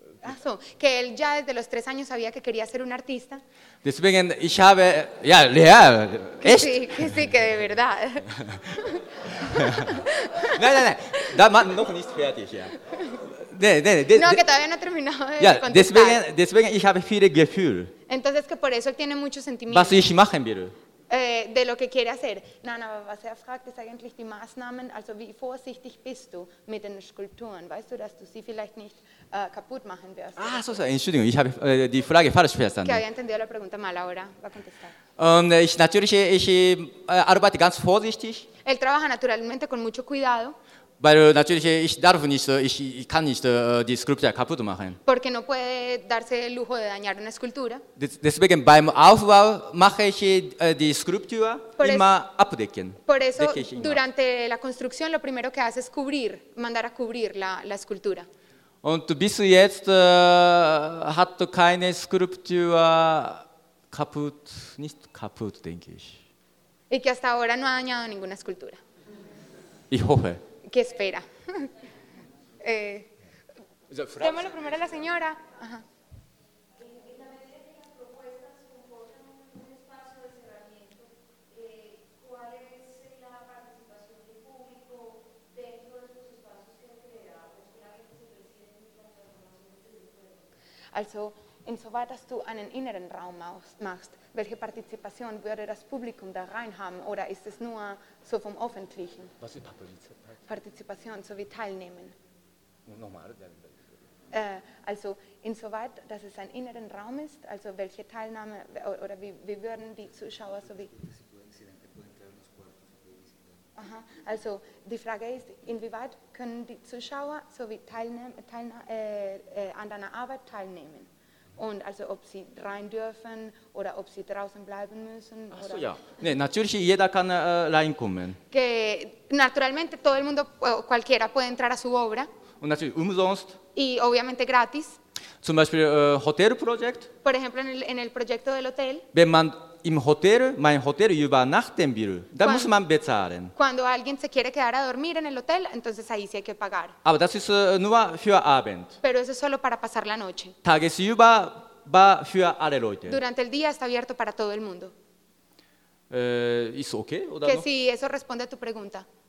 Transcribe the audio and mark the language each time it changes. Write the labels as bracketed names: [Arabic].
[Spanish] Achso, que él ya desde los 3 años sabía que quería ser un artista. [German] Deswegen, ich habe, ja, real, echt. [Spanish] Que sí, que de verdad. [German] Nein, da war noch nicht fertig, ja. [Spanish] No, que todavía no ha terminado de contestar. [German] Deswegen, ich habe viele Gefühl. [Spanish] Entonces, que por eso él tiene muchos sentimientos. [German] Was ich machen will. [Spanish] De lo que quiere hacer. [German] Nein, aber was fragt, ist eigentlich die Maßnahmen, also wie vorsichtig bist du mit den Skulpturen? Weißt du, dass du sie vielleicht nicht kaputt machen wirst? Ah, so, Entschuldigung, ich habe die Frage falsch verstanden. [Spanish] Que había entendido la pregunta mal, ahora va a contestar. [German] Ich arbeite ganz vorsichtig. [Spanish] Él trabaja naturalmente con mucho cuidado. [German] Weil natürlich, ich kann nicht die Skulptur kaputt machen. [Spanish] Porque no puede darse el lujo de dañar una escultura. [German] Deswegen beim Aufbau mache ich die Skulptur immer abdecken. [Spanish] Por eso, durante la construcción, lo primero que hace es cubrir, mandar a cubrir la escultura. [German] Und bis jetzt hat keine Skulptur kaputt, nicht kaputt, denke ich. [Spanish] Y que hasta ahora no ha dañado ninguna escultura. [German] Ich hoffe. [Spanish] ¿Qué espera? Démoslo primero a la señora. En la medida que las propuestas comportan un espacio de cerramiento, ¿cuál es la participación del público dentro de esos espacios que han creado? ¿Es que la gente se percibe en la transformación [German] del Insoweit, dass du einen inneren Raum machst, welche Partizipation würde das Publikum da rein haben? Oder ist es nur so vom Öffentlichen? Was ist Partizipation? Partizipation, so wie Teilnehmen. Nochmal? Also, insoweit, dass es ein inneren Raum ist, also welche Teilnahme, oder wie würden die Zuschauer so wie... Aha, also, die Frage ist, inwieweit können die Zuschauer so wie an deiner Arbeit teilnehmen? Und also ob sie rein dürfen oder ob sie draußen bleiben müssen. Ach so, ja. Nee, natürlich, jeder kann reinkommen. [Spanish] Que naturalmente todo el mundo, cualquiera puede entrar a su obra. [German] Und natürlich umsonst. [Spanish] Y obviamente gratis. [German] Zum Beispiel Hotelprojekt. [Spanish] Por ejemplo, en el proyecto del hotel. [German] Wenn man im Hotel, mein Hotel übernachten will, dann muss man bezahlen. [Spanish] Cuando alguien se quiere quedar a dormir en el hotel, entonces ahí sí hay que pagar. [German] Aber das ist nur für Abend. [Spanish] Pero eso es solo para pasar la noche. [German] Tagesüber war für alle Leute. [Spanish] Durante el día está abierto para todo el mundo. [German] Ist okay? Oder [Spanish] que no? Sí, eso responde a tu pregunta.